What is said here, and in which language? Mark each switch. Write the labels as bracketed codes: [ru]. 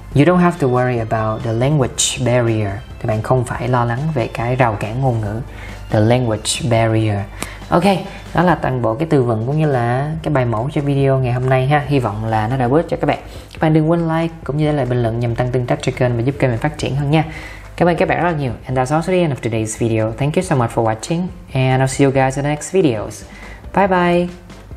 [en] You don't have to worry about the language barrier. [vi] Thì bạn không phải lo lắng về cái rào cản ngôn ngữ. [en] The language barrier. [vi] Ok, đó là toàn bộ cái từ vựng cũng như là cái bài mẫu cho video ngày hôm nay ha. Hy vọng là nó đã bớt cho các bạn. Các bạn đừng quên like cũng như để lại bình luận nhằm tăng tương tác cho kênh và giúp kênh mình phát triển hơn nha. Cảm ơn các bạn rất là nhiều. [en] And that's also the end of today's video. Thank you so much for watching. And I'll see you guys in the next videos. Bye bye.